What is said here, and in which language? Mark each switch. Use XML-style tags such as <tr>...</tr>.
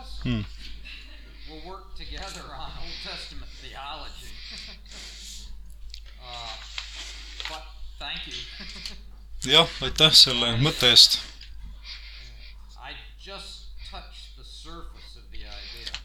<en>We'll work together on Old Testament theology. But thank you.</en> <et>Ja, aitäh selle mõtte eest.</et> <en>I just touched the surface of the idea.</en>